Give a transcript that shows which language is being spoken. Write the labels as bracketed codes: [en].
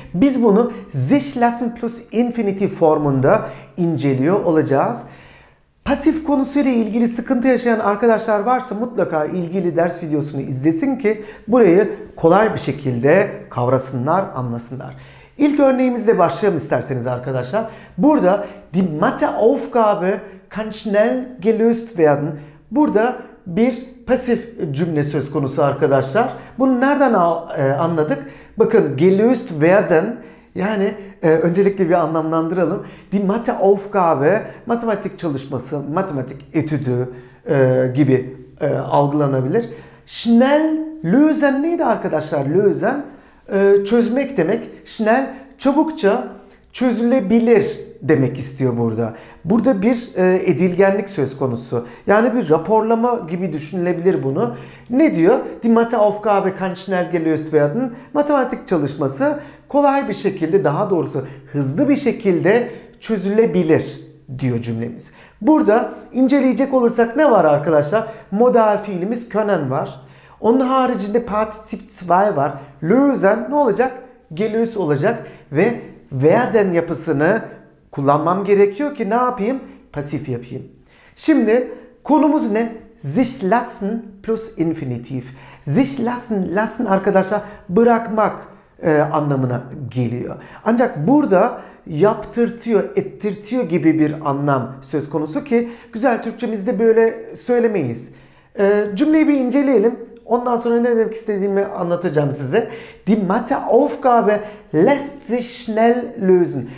[tr] Biz bunu sich lassen plus infinitiv formunda inceliyor olacağız. Pasif konusuyla ilgili sıkıntı yaşayan arkadaşlar varsa mutlaka ilgili ders videosunu izlesin ki burayı kolay bir şekilde kavrasınlar, anlasınlar. İlk örneğimizle başlayalım isterseniz arkadaşlar. Burada [de] die Matheaufgabe kann schnell gelöst werden. [tr] Burada bir pasif cümle söz konusu arkadaşlar. Bunu nereden anladık? Bakın gelöst werden yani öncelikle bir anlamlandıralım. Die Matheaufgabe matematik çalışması, matematik etüdü gibi algılanabilir. Schnell lösen neydi arkadaşlar? Lösen çözmek demek. Schnell çabukça çözülebilir demek istiyor burada. Burada bir edilgenlik söz konusu. Yani bir raporlama gibi düşünülebilir bunu. Ne diyor? [de] Die Matheaufgabe kann schnell gelöst werden. [tr] Matematik çalışması kolay bir şekilde, daha doğrusu hızlı bir şekilde çözülebilir diyor cümlemiz. Burada inceleyecek olursak ne var arkadaşlar? Modal fiilimiz können var. Onun haricinde Partizip 2 var. Lösen ne olacak? Gelöst olacak. Ve werden yapısını kullanmam gerekiyor ki ne yapayım? Pasif yapayım. Şimdi konumuz ne? Sich lassen plus infinitiv. Sich lassen, lassen arkadaşlar bırakmak anlamına geliyor. Ancak burada yaptırtıyor, ettirtiyor gibi bir anlam söz konusu ki güzel Türkçemizde böyle söylemeyiz. Cümleyi bir inceleyelim. Ondan sonra ne demek istediğimi anlatacağım size. [de] Die Matheaufgabe lässt sich schnell lösen.